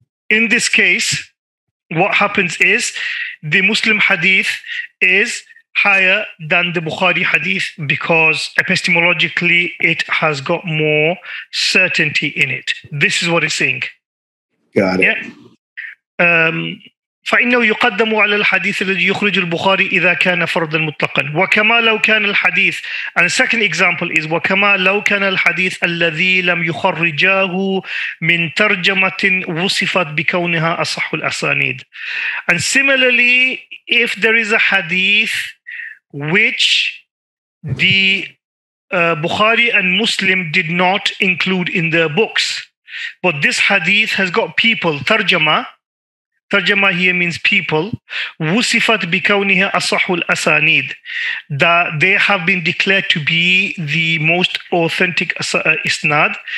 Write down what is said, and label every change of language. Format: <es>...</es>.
<en>In this case, what happens is the Muslim hadith is higher than the Bukhari hadith because epistemologically it has got more certainty in it. This is what it's saying. Got it. Yeah?</en> <ar>فإنه يقدم على الحديث الذي يخرج البخاري إذا كان فرضا مطلقا وكما لو كان الحديث.</ar> <en>And the second example is</en> <ar>وكما لو كان الحديث الذي لم يخرجاه من ترجمة وصفت بكونها أصح الأسانيد.</ar> <en>And similarly, if there is a hadith which the Bukhari and Muslim did not include in their books, but this hadith has got people, Tarjama here means people,</en> <ar>wusifat bikawniha asahul asanid,</ar> <en>that they have been declared to be the most authentic isnad.</en>